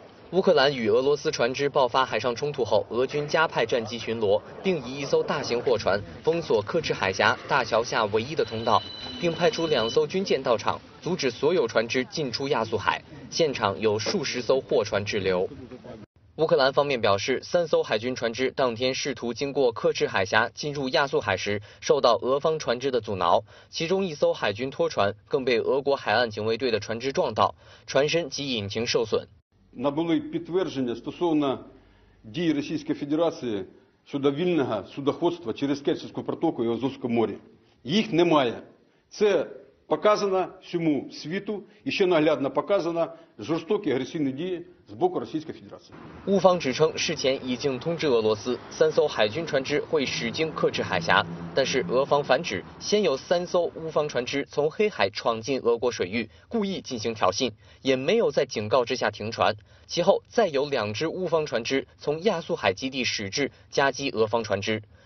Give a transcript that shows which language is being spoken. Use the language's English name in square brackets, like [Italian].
[Chinese] 乌克兰与俄罗斯船只爆发海上冲突后，俄军加派战机巡逻，并以一艘大型货船封锁克赤海峡大桥下唯一的通道，并派出2艘军舰到场，阻止所有船只进出亚速海，现场有数10艘货船滞留。乌克兰方面表示，3艘海军船只当天试图经过克赤海峡进入亚速海时，受到俄方船只的阻挠，其中一艘海军拖船更被俄国海岸警卫队的船只撞到，船身及引擎受损。 [Ukrainian] Набули підтвердження стосовно дій Російської Федерації щодо вільного судоходства через Керченську протоку і Азовське море. Їх немає. Це показано всьому світу і ще наглядно показано жорстокі агресивні дії з боку Російської Федерації. [Chinese] 乌方指称事前已经通知俄罗斯，3艘海军船只会驶经克赤海峡，但是俄方反指先有3艘乌方船只从黑海闯进俄国水域，故意进行挑衅，也没有在警告之下停船，其后再有2只乌方船只从亚速海基地驶至，夹击俄方船只。